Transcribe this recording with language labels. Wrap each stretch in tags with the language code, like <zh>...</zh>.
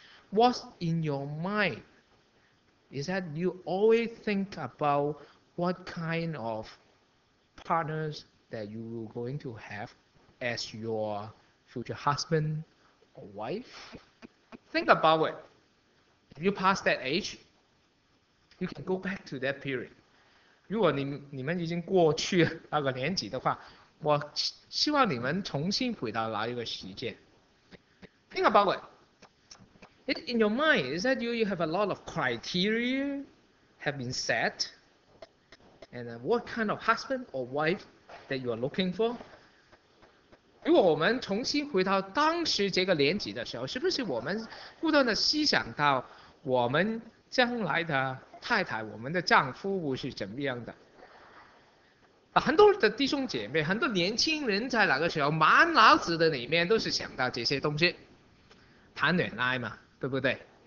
<en>What's in your mind is that you always think about what kind of partners that you are going to have as your future husband or wife. Think about it. If you pass that age, you can go back to that period.</en> <zh>如果你们已经过去那个年纪的话，我希望你们重新回到那一个时间。</zh> <en>Think about it. In your mind, is that you have a lot of criteria have been set, and what kind of husband or wife that you are looking for?</en> <zh>如果我们重新回到当时这个年纪的时候，是不是我们不断的思想到我们将来的太太，我们的丈夫是怎么样的？很多的弟兄姐妹，很多年轻人在那个时候，满脑子的里面都是想到这些东西，谈恋爱嘛，对不对？</zh>